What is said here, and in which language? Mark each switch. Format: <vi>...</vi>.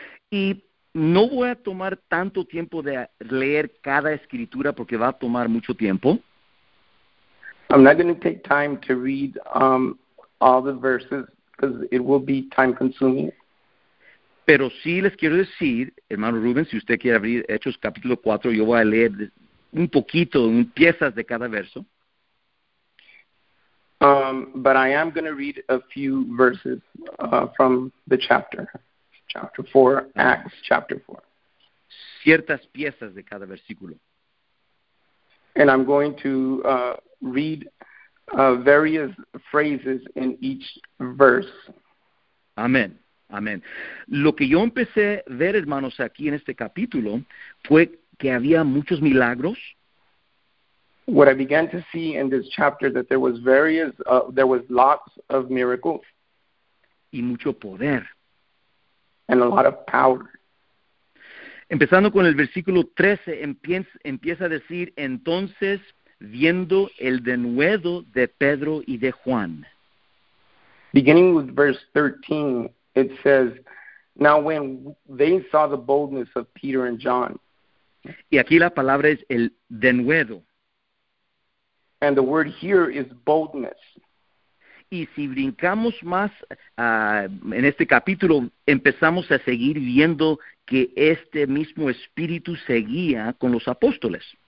<es>Y no voy a tomar tanto tiempo de leer cada escritura porque va a tomar mucho tiempo.</es> <en>I'm not going to take time to read all the verses because it will be time consuming.</en> <es>Pero sí les quiero decir, hermano Rubén, si usted quiere abrir Hechos capítulo 4, yo voy a leer un poquito, piezas de cada verso.</es> <en>But I am going to read a few verses from the chapter, chapter 4, Acts chapter 4.</en> <es>Ciertas piezas de cada versículo.</es> <en>And I'm going to read various phrases in each verse.</en> <es>Amén, amén. Lo que yo empecé a ver, hermanos, aquí en este capítulo, fue que había muchos milagros.</es> <en>What I began to see in this chapter, that there was various, there was lots of miracles.</en> <es>Y mucho poder.</es> <en>And a lot of power.</en> <es>Empezando con el versículo 13, empieza a decir, entonces, viendo el denuedo de Pedro y de Juan.</es> <en>Beginning with verse 13, it says, now when they saw the boldness of Peter and John.</en> <es>Y aquí la palabra es el denuedo.</es> <en>And the word here is boldness.</en> <es>Y si brincamos más en este capítulo, empezamos a seguir viendo que este mismo espíritu seguía con los apóstoles.</es>